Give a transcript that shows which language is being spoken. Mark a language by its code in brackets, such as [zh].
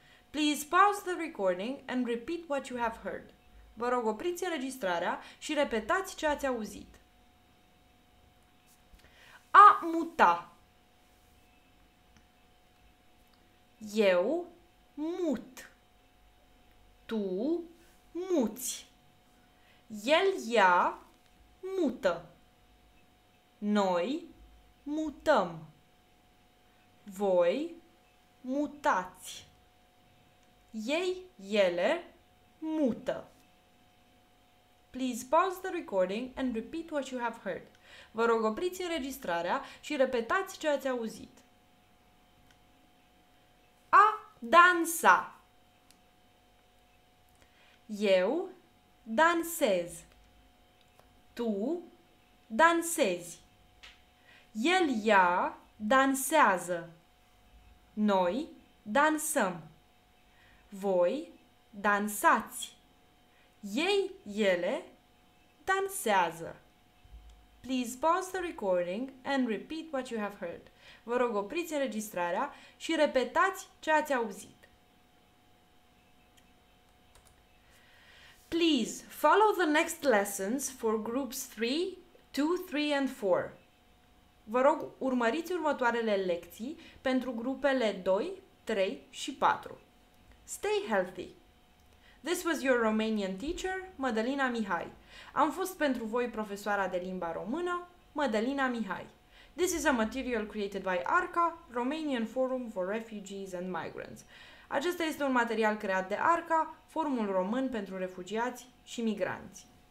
[en] Please pause the recording and repeat what you have heard. [ro] Vă rog, opriți înregistrarea și repetați ce ați auzit. A muta. Eu mut. Tu muți. El, ea mută. Noi mutăm. Voi mutați. Ei, ele mută. [en] Please pause the recording and repeat what you have heard. [ro] Vă rog, opriți înregistrarea și repetați ce ați auzit. A dansa. Eu dansez. Tu dansezi. El, ea dansează. Noi dansăm. Voi dansați. Ei, ele dansează. [en] Please pause the recording and repeat what you have heard. [ro] Vă rog, opriți înregistrarea și repetați ce ați auzit. [en] Please follow the next lessons for groups 3, 2, 3 and 4. [ro] Vă rog, urmăriți următoarele lecții pentru grupele 2, 3 și 4. [en] Stay healthy! This was your Romanian teacher, Mădălina Mihai. [ro] Am fost pentru voi profesoara de limba română, Mădălina Mihai. [en] This is a material created by ARCA, Romanian Forum for Refugees and Migrants. [ro] Acesta este un material creat de ARCA, Forumul Român pentru Refugiați și Migranți.